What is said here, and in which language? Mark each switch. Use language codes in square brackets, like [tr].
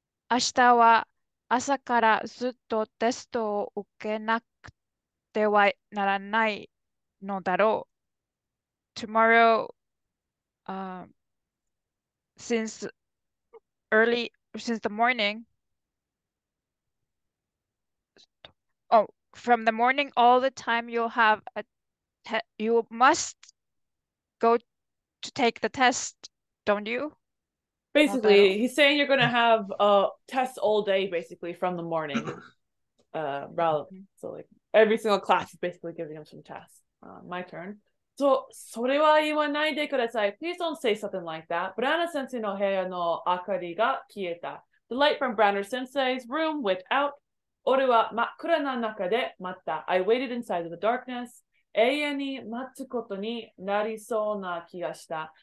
[ja] 明日は朝からずっとテストを受けなくてはならないのだろう。 [en] Tomorrow, since the morning, from the morning all the time you'll have a you must go to take the test, don't you? Basically, he's saying you're going to have tests all day, basically, from the morning. So, like, every single class is basically giving him some tests. My turn. [ja] So, それは言わないでください. [en] Please don't say something like that. [ja] Branner 先生の部屋の明かりが消えた. [en] The light from Branner 先生's room went out. [ja] 俺は真っ暗な中で待った. [en] I waited inside of the darkness. [ja] 永遠に待つことになりそうな気がした。